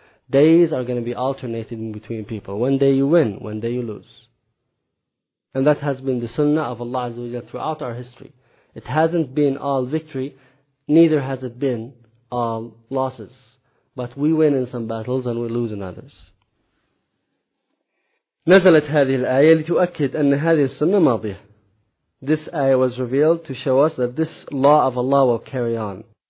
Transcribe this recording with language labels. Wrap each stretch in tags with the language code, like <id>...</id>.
<en>Days are going to be alternated in between people. One day you win, one day you lose. And that has been the sunnah of Allah Azza wa Jal throughout our history. It hasn't been all victory, neither has it been all losses. But we win in some battles and we lose in others.</en> <ar>نزلت هذه الآية لتؤكد أن هذه السنة ماضية</ar> <en>This ayah was revealed to show us that this law of Allah will carry on.</en>